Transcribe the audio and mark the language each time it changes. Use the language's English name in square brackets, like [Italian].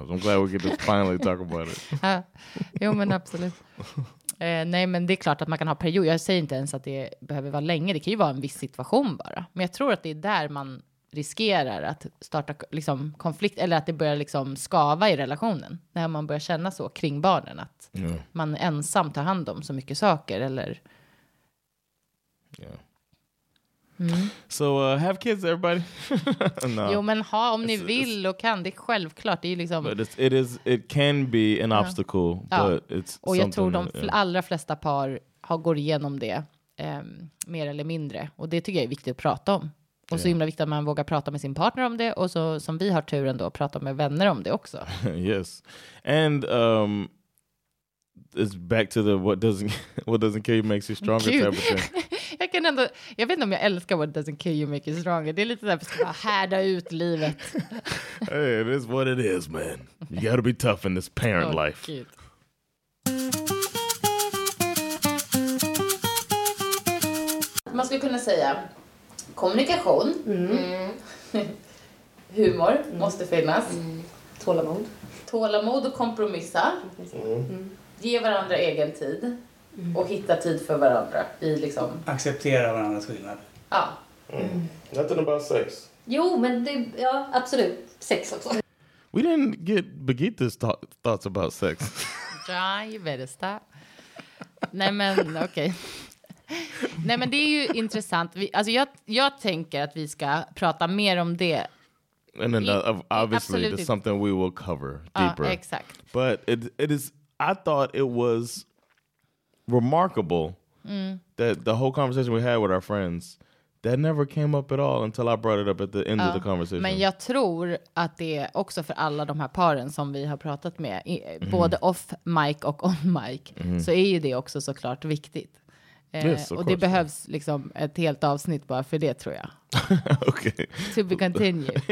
[English] I'm glad we get to finally talk about it. [Swedish] Ja. Jo, men absolut. Nej, men det är klart att man kan ha period. Jag säger inte ens att det behöver vara länge. Det kan ju vara en viss situation bara. Men jag tror att det är där man riskerar att starta liksom, konflikt eller att det börjar liksom, skava i relationen när man börjar känna så kring barnen att yeah. man ensam tar hand om så mycket saker eller [English] yeah. mm. So have kids everybody. No. [Swedish] Jo men ha om ni vill och kan, det är självklart, det är liksom [English] it can be an obstacle yeah. but it's [Swedish] och jag tror de allra flesta par har går igenom det mer eller mindre och det tycker jag är viktigt att prata om. Och så himla viktigt att man vågar prata med sin partner om det. Och så som vi har turen då, prata med vänner om det också. [English] Yes. And it's back to the what doesn't kill you makes you stronger type of thing. [Swedish] Jag kan ändå, jag vet inte om jag älskar [English] what doesn't kill you makes you stronger. [Swedish] Det är lite såhär, ska bara härda ut livet. [English] Hey, it is what it is, man. You gotta be tough in this parent life. Cute. [Swedish] Man skulle kunna säga kommunikation, humor måste finnas, tålamod och kompromissa, ge varandra egen tid och hitta tid för varandra i liksom acceptera varandras skillnad. Ja. Inte bara sex. Jo, men det ja, absolut sex också. [English] We didn't get Birgitta's thoughts about sex. [Swedish] Ja, [English] you better stop. [Swedish] Nej men okej. Nej men det är ju intressant. Alltså jag tänker att vi ska prata mer om det. [English] And then obviously it's something we will cover deeper. [Swedish] Ja, exakt. [English] But it is I thought it was remarkable that the whole conversation we had with our friends that never came up at all until I brought it up at the end of the conversation. [Swedish] Men jag tror att det är också för alla de här paren som vi har pratat med både off mic och on mic så är ju det också såklart viktigt. [English] Yes, [Swedish] och det behövs liksom ett helt avsnitt bara för det tror jag. [English] Okay. To be continued.